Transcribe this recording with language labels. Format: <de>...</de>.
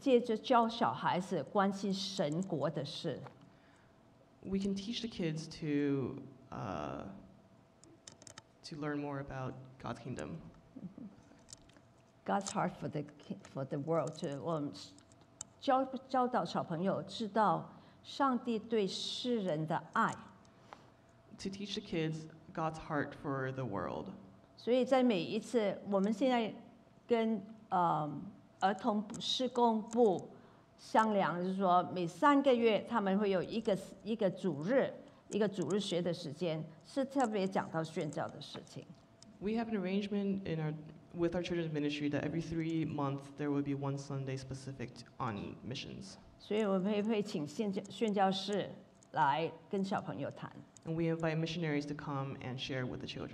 <zh>我们可以借着教小孩子关心神国的事。</zh> <en>We can teach the kids to learn more about God's kingdom. God's heart for the world too.</en> <zh>我们教导小朋友知道上帝对世人的爱。</zh> <en>To teach the kids God's heart for the world.</en> <zh>所以在每一次我们现在跟 儿童事工部商量，就是说每三个月他们会有一个主日，一个主日学的时间，是特别讲到宣教的事情。</zh> <en>We have an arrangement in our with our children's ministry that every 3 months there will be one Sunday specific on missions.</en> <zh>所以我们会请宣教师来跟小朋友谈。</zh> <en>And we invite missionaries to come and share with the</en>